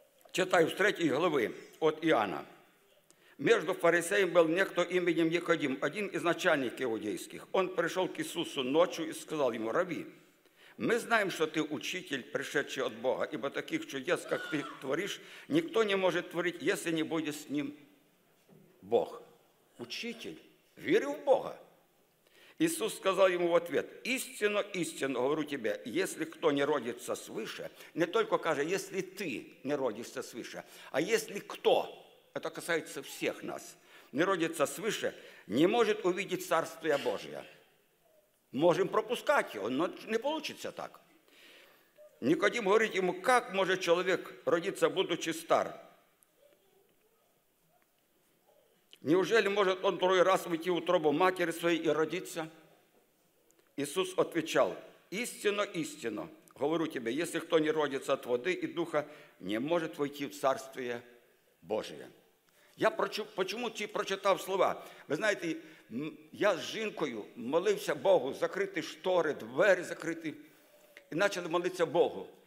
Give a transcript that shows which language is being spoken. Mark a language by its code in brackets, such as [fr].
[uk] Читаю з 3 глави от Іоанна. Між фарисеями був ніхто іменем Ніходім, один із начальників іудейських. Він прийшов к Ісусу ночі і сказав йому: «Раві, ми знаємо, що ти учитель, пришедший від Бога, ібо таких чудес, як ти твориш, ніхто не може творити, якщо не буде з ним Бог». Учитель вірив в Бога. Ісус сказав йому в ответ: [ru] «Істинно, істинно, говорю тебе, если кто не родиться свыше», не только каже, если ты не родишься свыше, а если кто, это касается всех нас, не родиться свыше, не может увидеть Царствие Божие. Можем пропускать его, но не получится так. Никодим говорит ему: «Как может человек родиться, будучи стар? Неужели может он второй раз выйти в утробу матери своей и родиться?» [uk] Ісус отвечав: «Істинно, істинно, говорю тебе, якщо хто не родиться від води і духа, не може войти в Царствие Божие». Я чому ці прочитав слова? Ви знаєте, я з жінкою молився Богу, закрити штори, двері закрити, і почали молитися Богу.